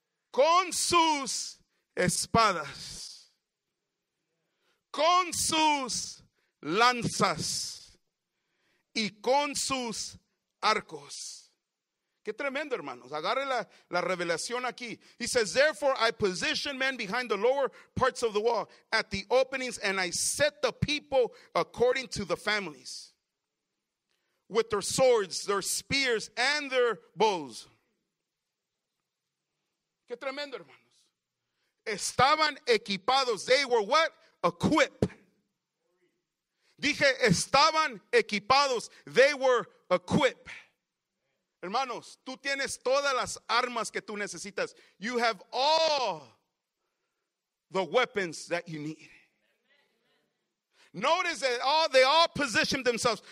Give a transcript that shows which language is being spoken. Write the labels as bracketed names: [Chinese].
[Spanish] Con sus espadas. Con sus lanzas. Y con sus arcos. Qué tremendo, hermanos. Agarre la revelación aquí. [English] He says, therefore I position men behind the lower parts of the wall at the openings, and I set the people according to the families, with their swords, their spears, and their bows. [Spanish] Qué tremendo, hermanos. Estaban equipados. [English] They were what? Equipped. [Spanish] Dije, estaban equipados. [English] They were equipped. [Spanish] Hermanos, tú tienes todas las armas que tú necesitas. [English] You have all the weapons that you need. Notice that they all positioned themselves.